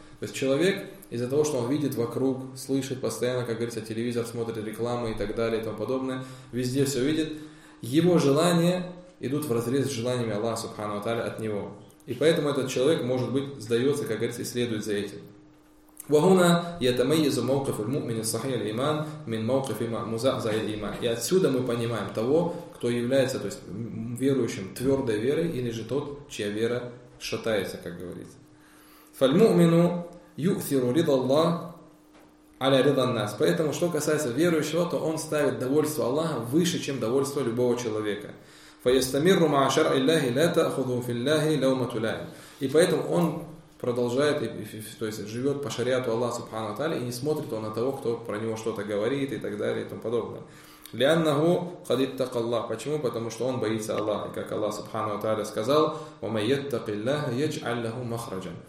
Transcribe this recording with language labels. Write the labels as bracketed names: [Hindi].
[Russian] То есть человек, из-за того, что он видит вокруг, слышит постоянно, как говорится, телевизор смотрит рекламы и так далее и тому подобное, везде все видит, его желания идут вразрез с желаниями Аллаха Субхану ва Та'аля от него. И поэтому этот человек, может быть, сдается, как говорится, и следует за этим. [Arabic] وهنا يتميز موقف المؤمن الصحيح الإيمان من موقف مزعزع الإيمان. [Russian] И отсюда мы понимаем того, кто является, то есть верующим твердой верой, или же тот, чья вера шатается, как говорится. [Arabic] فالمؤمن يؤثر رضا الله على رضا الناس. [Russian] Поэтому, что касается верующего, то он ставит довольство Аллаха выше, чем довольство любого человека. [Arabic] فيستمر مع شرع الله لا تأخذ في الله لومة لائم. [Russian] И поэтому он продолжает, то есть живет по шариату Аллаха Субхану Тааля и не смотрит он на того, кто про него что-то говорит и так далее и тому подобное. [Arabic] لِأَنَّهُ قَدِبْ تَقَ اللَّهُ. [Russian] Почему? Потому что он боится Аллаха. И как Аллах Субхану Тааля сказал, [Arabic] وَمَيَّتَّقِ اللَّهَ يَجْعَلْ لَهُ مَخْرَجًا.